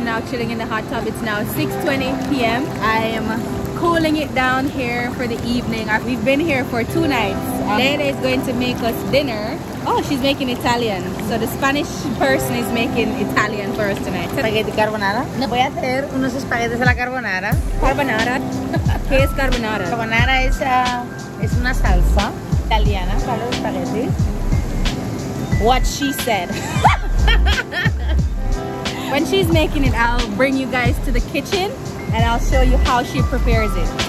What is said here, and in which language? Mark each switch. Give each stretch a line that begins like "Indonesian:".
English: Chilling in the hot tub. It's now 6:20 p.m. I am cooling it down here for the evening. We've been here for two nights. Leire is going to make us dinner. Oh, she's making Italian. So the Spanish person is making Italian for us tonight. Spaghetti carbonara.
Spanish: No, voy a hacer unos espaguetis a la carbonara. Carbonara. ¿Qué es carbonara? Carbonara es una salsa italiana para los espaguetis.
English: What she said. When she's making it, I'll bring you guys to the kitchen and I'll show you how she prepares it.